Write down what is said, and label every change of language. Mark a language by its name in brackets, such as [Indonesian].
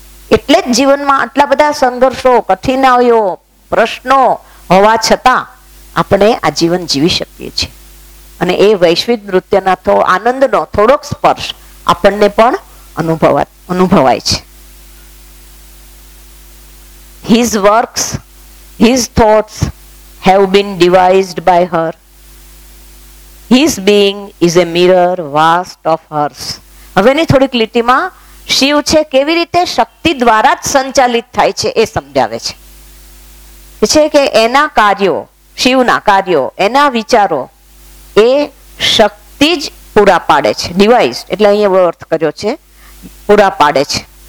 [Gujarati] એટલે જ જીવનમાં આટલા બધા સંઘર્ષો, કઠિનાઈઓ, પ્રશ્નો હોવા છતાં આપણે આ જીવન જીવી શકીએ છીએ. અને એ વૈશ્વિક નૃત્યના તો આનંદનો થોડોક સ્પર્શ આપણને પણ અનુભવાય છે. [English] His works, his thoughts have been devised by her. His being is a mirror vast of hers. [Gujarati] હવેની થોડીક લીટીમાં શિવ છે કેવી રીતે શક્તિ દ્વારા જ સંચાલિત થાય છે એ સમજાવે છે. છે કે એના કાર્યો, શિવના કાર્યો, એના વિચારો એ શક્તિ જ પૂરા પાડે છે. ડિવાઇઝ એટલે અહીંયા એવો અર્થ કર્યો છે, પૂરા પાડે છે.